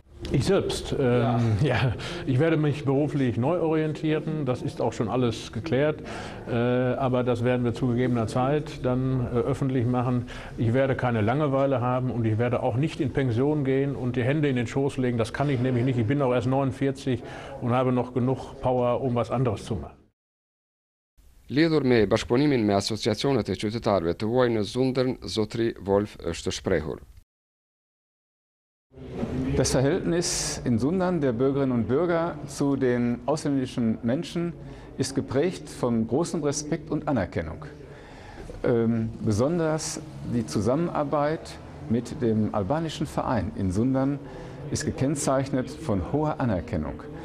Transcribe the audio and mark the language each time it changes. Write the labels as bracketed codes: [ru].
[de] Ich selbst, ich werde mich beruflich neu orientieren, das ist auch schon alles geklärt, aber das werden wir zu gegebener Zeit dann öffentlich machen. Ich werde keine Langeweile haben und ich werde auch nicht in Pension gehen und die Hände in den Schoß legen, das kann ich nämlich nicht. Ich bin auch erst 49 und habe noch genug Power, um was anderes zu machen. [sq] Lidhur me bashkëpunimin me asociacionet e qytetarëve të huaj në Sundern, zotri Wolf është shprehur. [de] Das Verhältnis in Sundern der Bürgerinnen und Bürger zu den ausländischen Menschen ist geprägt von großem Respekt und Anerkennung. Besonders die Zusammenarbeit mit dem albanischen Verein in Sundern ist gekennzeichnet von hoher Anerkennung.